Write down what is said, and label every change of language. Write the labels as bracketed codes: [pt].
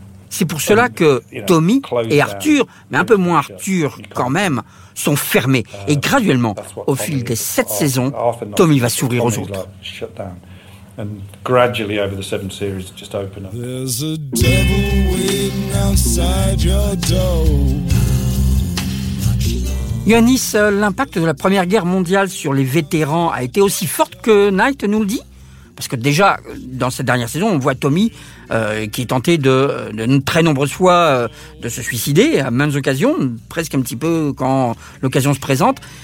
[fr] C'est pour cela que Tommy et Arthur, mais un peu moins Arthur quand même, sont fermés. Et graduellement, au fil des 7 saisons, Tommy va s'ouvrir aux autres. [en] And gradually over the 7 series, just open up. There's a devil waiting outside your door. [fr] Yannis, l'impact de la Première Guerre mondiale sur les vétérans a été aussi fort que Knight nous le dit ? Parce que déjà, dans cette dernière saison, on voit Tommy qui est tenté de très nombreuses fois de se suicider à maintes occasions, presque un petit peu quand l'occasion se présente.